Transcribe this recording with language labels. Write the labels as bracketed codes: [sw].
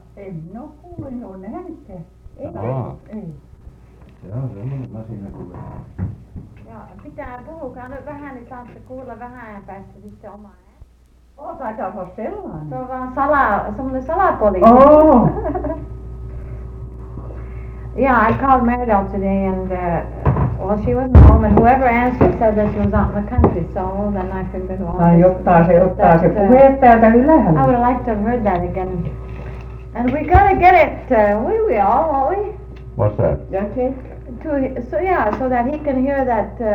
[fi] En ole kuullut, en ole nähnyt se. Ei. Joo. Ei. Se on semmoinen masina kuullut. Joo, pitää puhukaan nyt vähän, niin saatte kuulla vähän ajan päästä sitten omaa ääntä. Oh, taitaa olla sellainen. Se on vaan sala, semmoinen salapoliisi. Oh. [en] Yeah, I called Mary Dell today and well, she wasn't home, and whoever answered said that she was out in the country, so then I could go on. [fi] Ai, ottaa se puheet täältä ylhäällä. [en] I would like to have heard that again. And we gotta get it, we will, won't we? What's that? Your tape? To, so yeah, so that he can hear that.